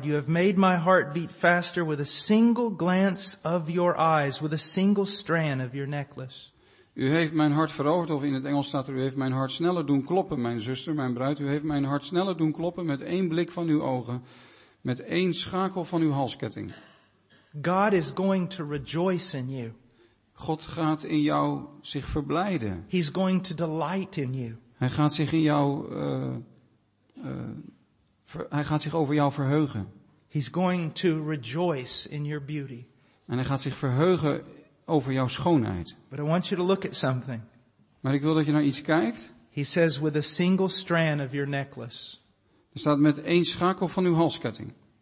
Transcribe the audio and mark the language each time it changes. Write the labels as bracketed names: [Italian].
[English] You have made my heart beat faster with a single glance of your eyes, with a single strand of your necklace. [Dutch] U heeft mijn hart veroverd, of in het Engels staat er, u heeft mijn hart sneller doen kloppen, mijn zuster, mijn bruid. U heeft mijn hart sneller doen kloppen met één blik van uw ogen, met één schakel van uw halsketting. [English] God is going to rejoice in you. [Dutch] God gaat in jou zich verblijden. [English] He's going to delight in you. [Dutch] Hij gaat zich in jou, hij gaat zich over jou verheugen. [English] He's going to rejoice in your beauty. [Dutch] En hij gaat zich verheugen over jouw schoonheid. [English] But I want you to look at something. [Dutch] Maar ik wil dat je naar iets kijkt. [English] He says with a single strand of your necklace. [Dutch] Er staat met één schakel van uw halsketting.